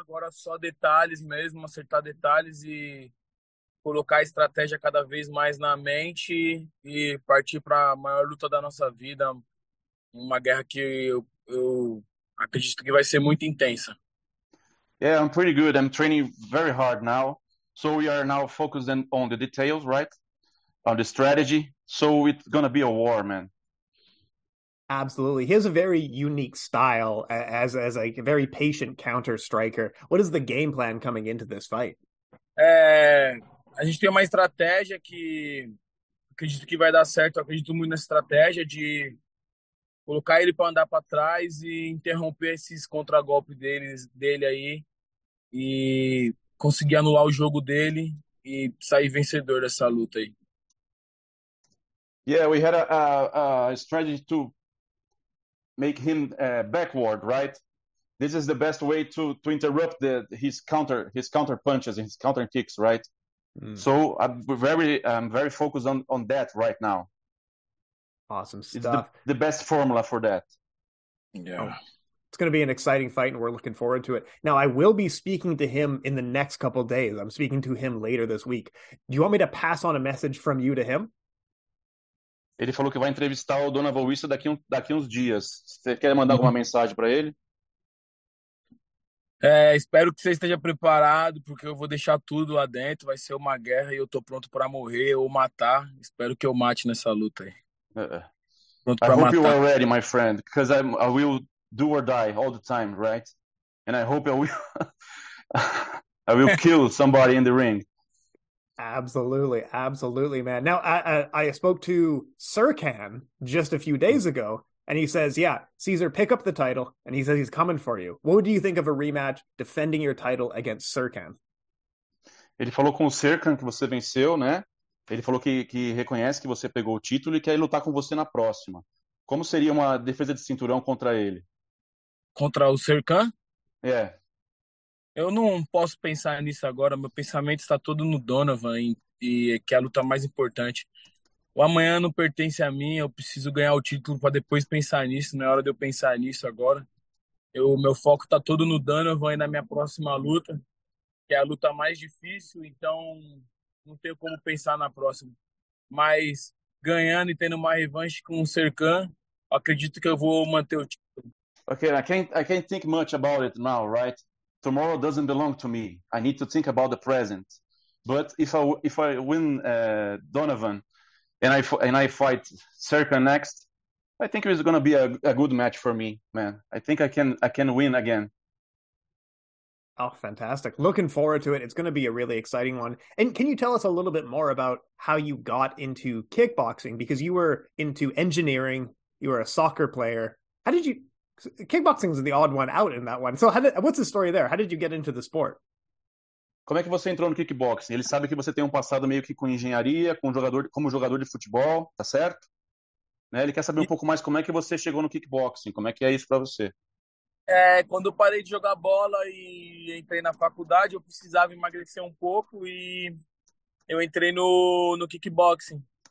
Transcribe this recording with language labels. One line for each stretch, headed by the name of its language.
Portuguese: Agora só detalhes mesmo, acertar detalhes e colocar a estratégia cada vez mais na mente e partir para a maior luta da nossa vida. Uma guerra que eu acredito que vai ser muito intensa.
English: Yeah, I'm pretty good. I'm training very hard now. So we are now focusing on the details, right? On the strategy. So it's going to be a war, man. Absolutely. He has a very unique style as a very patient counter striker. What is the game plan coming into this fight?
Portuguese: A gente tem uma estratégia que acredito que vai dar certo. Acredito muito nessa estratégia de colocar ele para andar para trás e interromper esses contragolpes dele aí e conseguir anular o jogo dele e sair vencedor dessa luta aí.
English: Yeah, we had a strategy to make him backward, right? This is the best way to interrupt his counter punches and his counter kicks, right? So I'm very focused on that right now. Awesome stuff. It's the best formula for that. Yeah. Oh, it's going to be an exciting fight, and we're looking forward to it. Now, I will be speaking to him in the next couple of days. I'm speaking to him later this week. Do you want me to pass on a message from you to him?
Portuguese: Ele falou que vai entrevistar o Donovan Vise daqui uns dias. Você quer mandar alguma mensagem para ele? Espero que você esteja preparado, porque eu vou deixar tudo lá dentro. Vai ser uma guerra e eu tô pronto para morrer ou matar. Espero que eu mate nessa luta aí.
English: I hope you are ready, my friend, because I will do or die all the time, right? And I hope I will kill somebody in the ring. Absolutely, absolutely, man. Now, I spoke to Sirkan just a few days ago, and he says, yeah, Cesar, pick up the title, and he says he's coming for you. What do you think of a rematch defending your title against Sirkan?
Portuguese: Ele falou com o Sirkan que você venceu, né? Ele falou que reconhece que você pegou o título e quer lutar com você na próxima. Como seria uma defesa de cinturão contra ele? Contra o Sirkan? É. Eu não posso pensar nisso agora. Meu pensamento está todo no Donovan, e que é a luta mais importante. O amanhã não pertence a mim. Eu preciso ganhar o título para depois pensar nisso. Não é hora de eu pensar nisso agora. Meu foco está todo no Donovan e na minha próxima luta, que é a luta mais difícil. Então, não tenho como pensar na próxima. Mas ganhando e tendo uma revanche com o Sirkan, acredito que eu vou manter o título.
English: Okay, I can't think much about it now, right? Tomorrow doesn't belong to me. I need to think about the present. But if I win Donovan and I fight Sirkan next, I think it's going to be a good match for me, man. I think I can win again. Oh, fantastic. Looking forward to it. It's going to be a really exciting one. And can you tell us a little bit more about how you got into kickboxing? Because you were into engineering. You were a soccer player. How did you... Kickboxing is the odd one out in that one. So what's the story there? How did you get into the sport?
Portuguese: Como é que você entrou no kickboxing? Ele sabe que você tem um passado meio que com engenharia, como jogador de futebol, tá certo? Né? Ele quer saber um pouco mais como é que você chegou no kickboxing. Como é que é isso pra você? Quando eu parei de jogar bola e entrei na faculdade, eu precisava emagrecer um pouco e eu entrei no kickboxing.